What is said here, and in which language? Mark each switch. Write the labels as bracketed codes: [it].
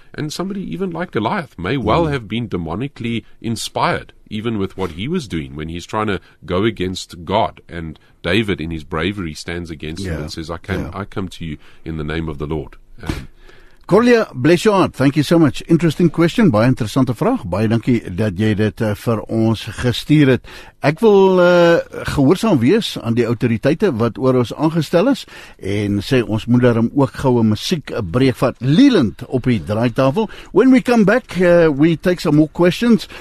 [en] And somebody even like Goliath may well have been demonically inspired, even with what he was doing when he's trying to go against God. And David, in his bravery, stands against him and says, I come to you in the name of the Lord. Corlia, bless your heart. Thank you so much. Interesting question. [af] Baie interessante vraag. Baie dankie dat jy dit vir ons gestuur het. Ek wil gehoorsaam wees aan die autoriteite wat oor ons aangestel is, en sê ons moet daarom ook gou 'n musiek breek vat. Leland op die draaitafel. [en] When we come back, we take some more questions.